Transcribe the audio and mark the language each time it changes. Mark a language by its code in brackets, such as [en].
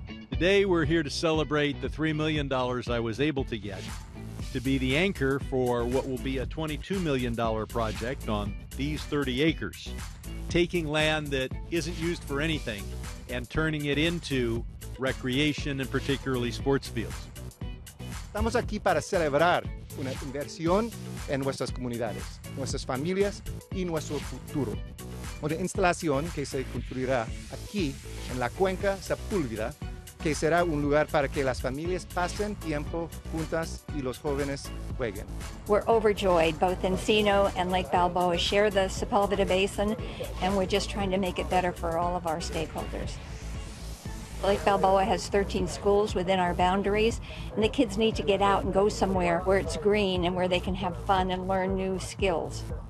[en] Today we're here to celebrate the $3 million I was able to get to be the anchor for what will be a $22 million project on these 30 acres, taking land that isn't used for anything and turning it into recreation and particularly sports fields. [es] Estamos aquí para celebrar una inversión en nuestras comunidades, nuestras familias y nuestro futuro. Una instalación que se construirá aquí en la cuenca Sepulveda, que será un lugar para que las familias pasen tiempo juntas y los jóvenes jueguen. [en] We're overjoyed. Both Encino and Lake Balboa share the Sepulveda Basin, and we're just trying to make it better for all of our stakeholders. Lake Balboa has 13 schools within our boundaries, and the kids need to get out and go somewhere where it's green and where they can have fun and learn new skills.